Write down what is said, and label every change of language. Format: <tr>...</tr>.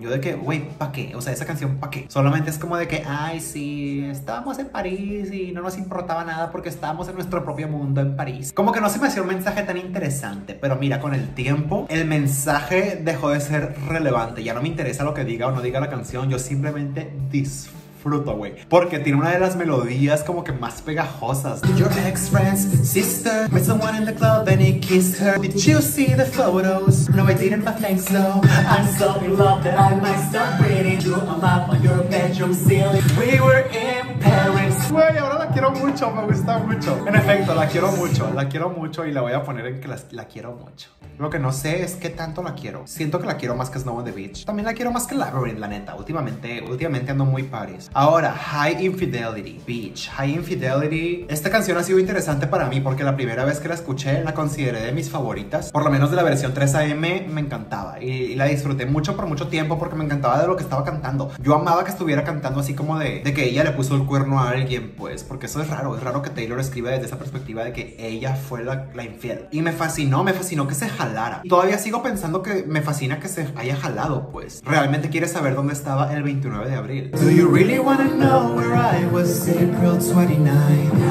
<es>Yo de que, güey, ¿pa' qué? O sea, esa canción, ¿pa' qué? Solamente es como de que, ay, sí, estábamos en París y no nos importaba nada porque estábamos en nuestro propio mundo en París. Como que no se me hacía un mensaje tan interesante, pero mira, con el tiempo, el mensaje dejó de ser relevante. Ya no me interesa lo que diga o no diga la canción, yo simplemente disfruto, güey, porque tiene una de las melodías como que más pegajosas.</es> <en>Did your ex-friend's sister met someone in the club and he kissed her? Did you see the photos? No, I didn't, but thanks, so I'm so in love that I might start reading you a map on your bedroom ceiling. We were in Paris.</en> <es>Güey, ahora la quiero mucho, me gusta mucho. En efecto, la quiero mucho. La quiero mucho y la voy a poner en que la quiero mucho. Lo que no sé es qué tanto la quiero. Siento que la quiero más que Snow on the Beach. También la quiero más que Labyrinth, la neta. Últimamente ando muy Paris. Ahora, High Infidelity, Beach. High Infidelity. Esta canción ha sido interesante para mí porque la primera vez que la escuché la consideré de mis favoritas. Por lo menos de la versión 3 AM me encantaba. Y la disfruté mucho por mucho tiempo porque me encantaba de lo que estaba cantando. Yo amaba que estuviera cantando así como de que ella le puso el cuerno a alguien, pues. Porque eso es raro. Es raro que Taylor escriba desde esa perspectiva de que ella fue la infiel. Y me fascinó que se jalara. Todavía sigo pensando que me fascina que se haya jalado, pues. Realmente quiere saber dónde estaba el 29 de abril.</es> <en>Do you really wanna know where I was April 29?</en>